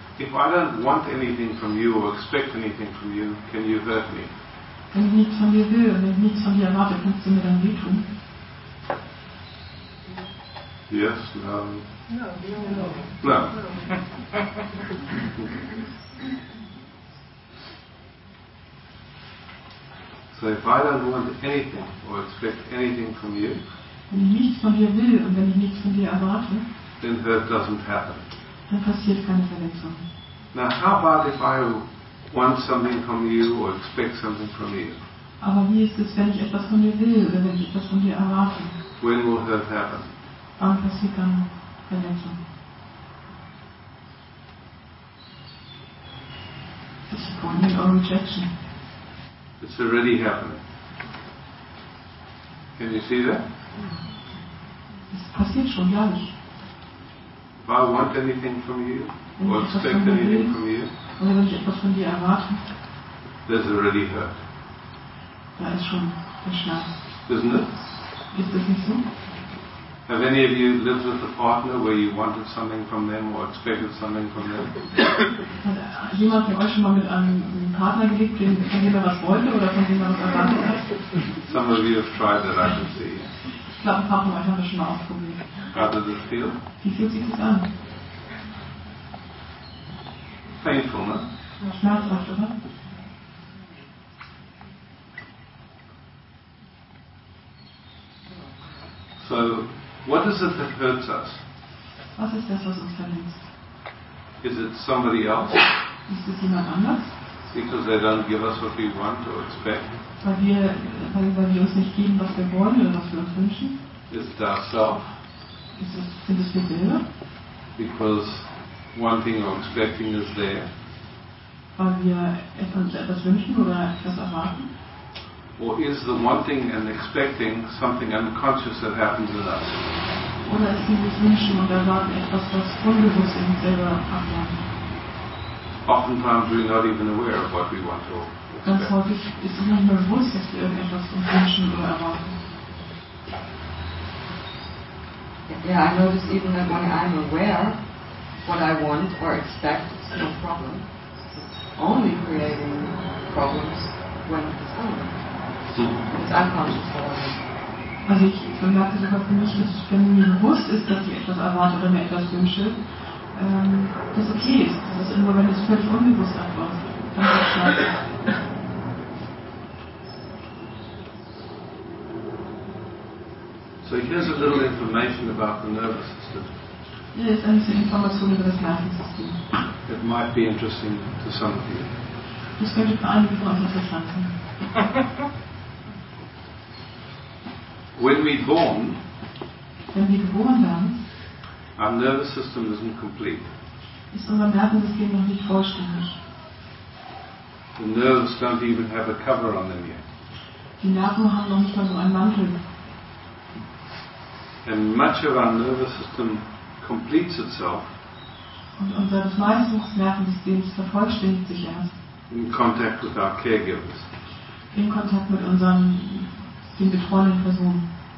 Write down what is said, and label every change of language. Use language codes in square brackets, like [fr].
[en] If I don't want anything from you or expect anything from you, can you hurt me? [de] Wenn ich nichts von dir will, wenn ich nichts von dir erwarte, kannst du mir dann wehtun? [en] Yes, no. No. So if I don't want anything or expect anything from you, [de] wenn ich nichts von dir will und wenn ich nichts von dir erwarte, [en] then hurt doesn't happen. [de] Dann passiert keine Verletzung. [en] Now, how about if I want something from you or expect something from you? [de] Aber wie ist es, wenn ich etwas von dir will oder wenn ich etwas von dir erwarte? [en] When will that happen? [de] Wann passiert dann Verletzung? [en] Disappointment or rejection? It's already happening. Can you see that? [de] Es passiert schon gar nicht. [en] If I want anything from you, or expect anything from you, [de] oder wenn ich etwas von dir erwarte, [en] there's already hurt. [de] Da ist schon der Schmerz. [en] Isn't it? [de] Ist das nicht so? [en] Have any of you lived with a partner where you wanted something from them or expected something from them? [de] Hat jemand von euch schon mal mit einem Partner gelebt, von dem er was wollte oder von dem er was erwartet hat? [en] Some of you have tried that, I can see. [de] Ich glaube, ein paar von euch haben das schon mal ausprobiert. [en] How does it feel? [de] Wie fühlt sich das an? [en] Painful, ne? [de] Schmerzhaft, oder? [en] So, what is it that hurts us? [de] Was ist das, was uns verletzt? [en] Is it somebody else? [de] Ist es jemand anders? [en] Because they don't give us what we want or expect. [de] Weil wir uns nicht geben, was wir wollen oder was wir uns wünschen. [en] Is it ourself? [de] Sind es wir selber? [en] Because wanting or expecting is there. [de] Weil wir etwas wünschen oder etwas erwarten. [en] Or is the wanting and expecting something unconscious that happens in us? [de] Oder ist dieses Wünschen und Erwarten etwas, was unbewusst in uns selber abläuft? [en] Oftentimes we're not even aware of what we want or expect. [de] Ganz häufig ist uns nicht mehr bewusst, dass wir irgendetwas uns wünschen oder erwarten. [en] Yeah, I notice even that when I'm aware what I want or expect, it's no problem. It's only creating problems when it's unaware. It's unconscious for us. [de] Also ich bemerke sogar für mich, dass wenn mir bewusst ist, dass ich etwas erwarte oder mir etwas wünsche, das okay ist. Das ist immer, wenn es völlig unbewusst abläuft, dann ist es klar. [en] So here's a little information about the nervous system. [de] Hier ist ein bisschen Information über das Nervensystem. [en] It might be interesting to some of you. [de] Das könnte für einige von uns interessant sein. [en] When we're born, [de] wenn wir geboren werden, [en] our nervous system isn't complete. [de] Ist unser Nervensystem noch nicht vollständig. [en] The nerves don't even have a cover on them yet. [de] Die Nerven haben noch nicht mal so einen Mantel. [en] And much of our nervous system completes itself [de] Und unser meistens Nervensystems vervollständigt sich erst. [en] In contact with our caregivers. [de] In Kontakt mit unseren den betreuenden Personen.